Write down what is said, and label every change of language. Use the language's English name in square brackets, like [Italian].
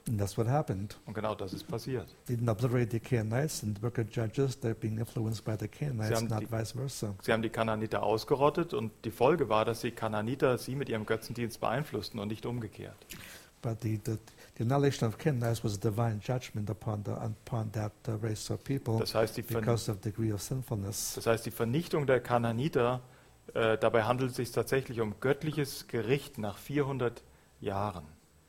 [English] And that's what happened. [German] Und genau das ist passiert. [English] They didn't obliterate the Canaanites in the book of Judges. They're being influenced by the Canaanites, not vice versa. [German] Sie haben die Kanaaniter ausgerottet und die Folge war, dass die Kanaaniter sie mit ihrem Götzendienst beeinflussten und nicht umgekehrt. [English] But the annihilation of Canaanites was a divine judgment upon that race of people, [German] das heißt [English] because of the degree of sinfulness. [German] Das heißt, die Vernichtung der Kanaaniter, dabei handelt es sich tatsächlich um göttliches Gericht nach 400 Jahren.